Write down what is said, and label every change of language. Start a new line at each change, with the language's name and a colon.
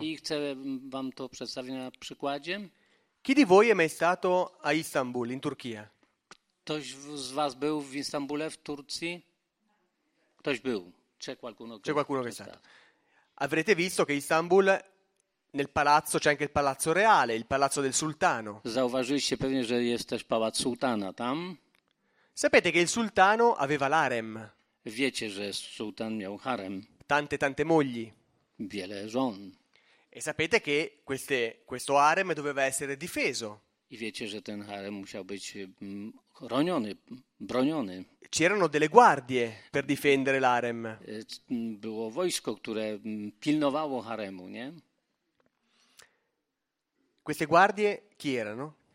Polish: I chcę wam to przedstawić na przykładzie.
Italian: Chi di voi è mai stato a Istanbul, in Turchia?
Polish: Ktoś z was był w Istanbule, w Turcji? Ktoś był.
Italian: C'è qualcuno che è stato. Avrete visto che Istanbul, nel palazzo, c'è anche il palazzo reale, il palazzo del sultano.
Polish: Zauważyliście pewnie, że jest też pałac sultana tam.
Italian: Sapete che il sultano aveva l'harem.
Polish: Wiecie, że sultan miał harem.
Italian: Tante, tante mogli.
Polish: Wiele żon.
Italian: E sapete che questo harem doveva essere difeso.
Polish: I wiecie, że ten harem musiał być chroniony, broniony.
Italian: C'erano delle guardie per difendere l'harem.
Polish: Było wojsko, które pilnowało haremu, nie?
Italian: Queste guardie chi erano?